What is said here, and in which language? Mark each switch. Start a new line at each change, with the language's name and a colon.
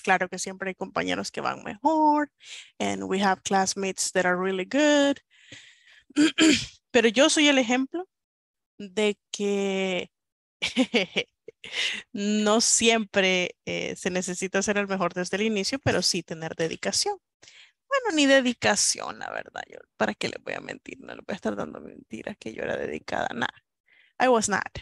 Spanish: Claro que siempre hay compañeros que van mejor.
English: And we have classmates that are really good.
Spanish: Pero yo soy el ejemplo de que no siempre se necesita ser el mejor desde el inicio, pero sí tener dedicación. Bueno, ni dedicación, la verdad. Yo, ¿para qué le voy a mentir? No le voy a estar dando mentiras que yo era dedicada.
English: Nah. I was not.